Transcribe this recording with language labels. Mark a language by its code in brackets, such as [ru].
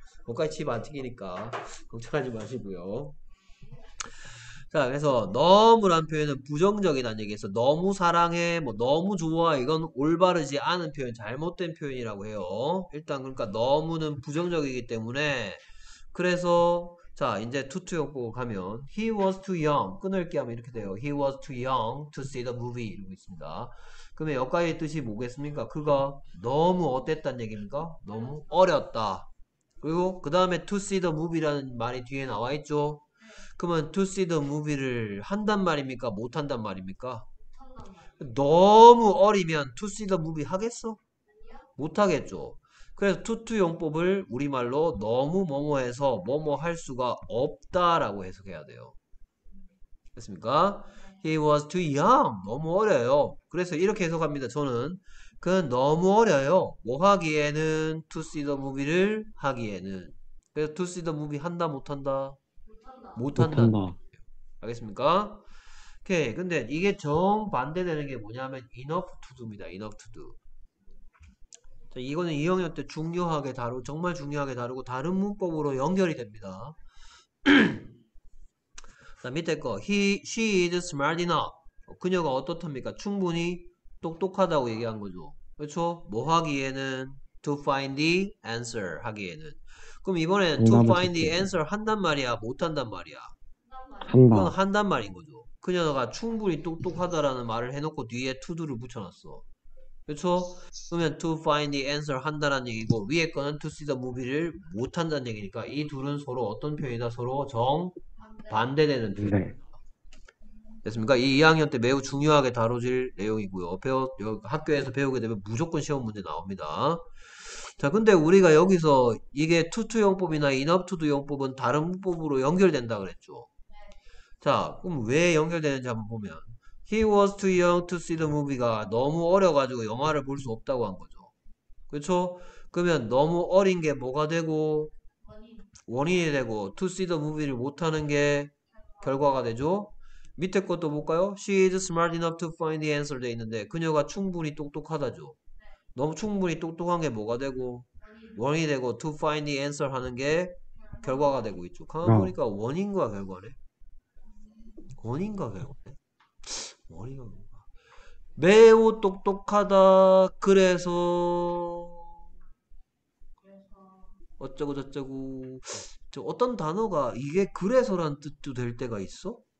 [ko] 거기까지 팀안 튀기니까 걱정하지 마시고요. 자, 그래서 너무란 표현은 부정적이라는 얘기에서 너무 사랑해, 뭐 너무 좋아, 이건 올바르지 않은 표현, 잘못된 표현이라고 해요. 일단 그러니까 너무는 부정적이기 때문에, 그래서 자, 이제 투투였고 가면 [en] he was too young [ko] 끊을게 하면 이렇게 돼요. [en] he was too young to see the movie [ko] 이러고 있습니다. 그러면 여기까지의 뜻이 뭐겠습니까? 그가 너무 어땠단 얘기입니까? 너무 어렸다. 그리고 그 다음에 [en] to see the movie [ko] 라는 말이 뒤에 나와 있죠. 그러면 [en] to see the movie [ko] 를 한단 말입니까? 못한단 말입니까? 너무 어리면 [en] to see the movie [ko] 하겠어? 못하겠죠. 그래서 투투 용법을 우리말로 너무 뭐뭐해서 뭐뭐 할 수가 없다라고 해석해야 돼요. [en] 됐습니까? He was too young. [ko] 너무 어려요. 그래서 이렇게 해석합니다. 저는 그 너무 어려요. 뭐 하기에는 [en] to see the movie [ko] 를 하기에는. 그래서 [en] to see the movie [ko] 한다 못한다. 못한다는 못한다. 얘기예요. 알겠습니까? 오케이. 근데 이게 정반대되는 게 뭐냐면 enough to do입니다. [en] enough to do. [ko] 자, 이거는 2학년 때 중요하게 다루고, 정말 중요하게 다루고, 다른 문법으로 연결이 됩니다. 자, 밑에 거. [en] She is smart enough. [ko] 그녀가 어떻답니까? 충분히 똑똑하다고 얘기한 거죠. 그렇죠? 뭐 하기에는? [en] To find the answer [ko] 하기에는. 그럼 이번에는 to 정답을 [en] find the [ko] 찾기 위해서 answer 한단 말이야? 못 한단 말이야? 그건 한다. 한단 말인 거죠. 그녀가 충분히 똑똑하다라는 말을 해놓고 뒤에 to do를 붙여놨어. 그렇죠? 그러면 [en] to find the answer [ko] 한다는 얘기고 위에 거는 [en] to see the movie [ko] 를 못 한다는 얘기니까 이 둘은 서로 어떤 표현이다? 서로 정 반대되는 표현입니다. 네. 됐습니까? 이 2학년 때 매우 중요하게 다뤄질 내용이고요. 학교에서 배우게 되면 무조건 시험 문제 나옵니다. 자, 근데 우리가 여기서 이게 투투 용법이나 인업투두 용법은 다른 문법으로 연결된다 그랬죠. 자, 그럼 왜 연결되는지 한번 보면. [en] He was too young to see the movie [ko] 가 너무 어려가지고 영화를 볼수 없다고 한 거죠. 그렇죠? 그러면 너무 어린 게 뭐가 되고 원인이 되고 [en] to see the movie [ko] 를 못하는 게 결과가 되죠? 밑에 것도 볼까요? [en] She is smart enough to find the answer [ko] 돼 있는데 그녀가 충분히 똑똑하다죠. 너무 충분히 똑똑한 게 뭐가 되고 원인이 되고 [en] to find the answer [ko] 하는 게 결과가 되고 있죠. 가만 보니까 원인과 결과네. 원인과 결과. 머리가 매우 똑똑하다. 그래서 어쩌고 저쩌고 저 어떤 단어가 이게 그래서란 뜻도 될 때가 있어?